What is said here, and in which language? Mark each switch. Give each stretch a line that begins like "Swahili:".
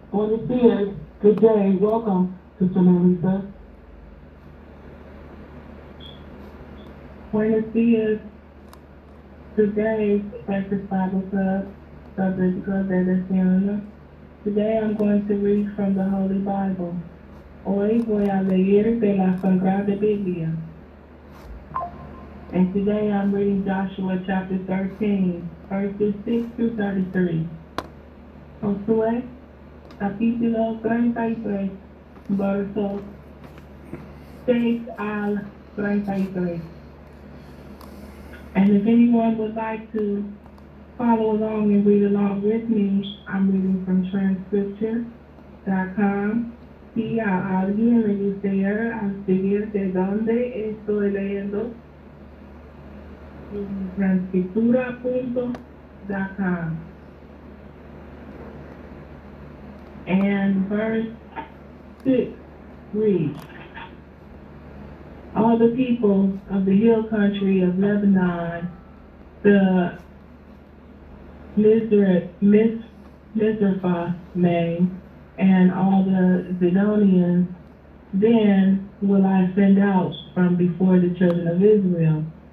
English: Want to see us. Good day. Welcome, Sister May Lisa.
Spanish: Buenos dias.
English: Today's Breakfast Bible Club, Southern Club de Siena. Today I'm going to read from the Holy Bible.
Spanish: Hoy voy a leer de la Sagrada Biblia.
English: And today I'm reading Joshua chapter 13, verses 6 through 33.
Spanish: Josué, capítulo 33, versos 6 al 33.
English: And if anyone would like to follow along and read along with me, I'm reading from transcripture.com.
Spanish: Si a alguien le gustaría escribir de donde estoy leyendo, transcriptura.com.
English: And verse 6 reads, all the people of the hill country of Lebanon, the Mizrephah, and all the Zidonians, then will I send out from before the children of Israel.